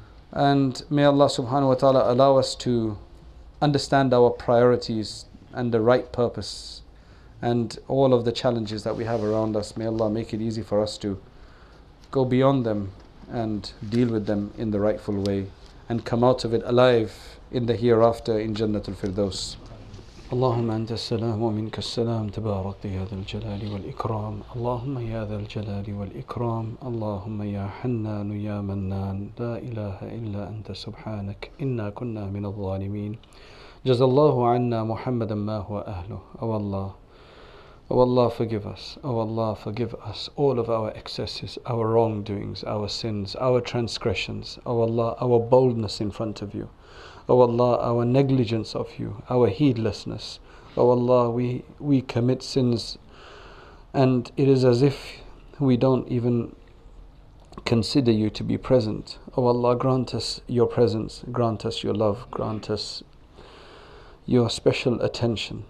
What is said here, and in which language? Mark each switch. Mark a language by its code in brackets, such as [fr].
[en] And may Allah subhanahu wa ta'ala allow us to understand our priorities and the right purpose. And all of the challenges that we have around us, may Allah make it easy for us to go beyond them and deal with them in the rightful way and come out of it alive in the hereafter in Jannat al-Firdaus. [ar] اللهم أنت السلام ومنك السلام تبارك يا ذا الجلال والإكرام اللهم يا ذا الجلال والإكرام اللهم يا حنان يا منان لا إله إلا أنت سبحانك إنا كنا من الظالمين جزى الله عنا محمدا ما هو أهله [en] Oh Allah forgive us all of our excesses, our wrongdoings, our sins, our transgressions. Oh Allah, our boldness in front of you. Oh Allah, our negligence of you, our heedlessness. Oh Allah, we commit sins and it is as if we don't even consider you to be present. Oh Allah, grant us your presence, grant us your love, grant us your special attention.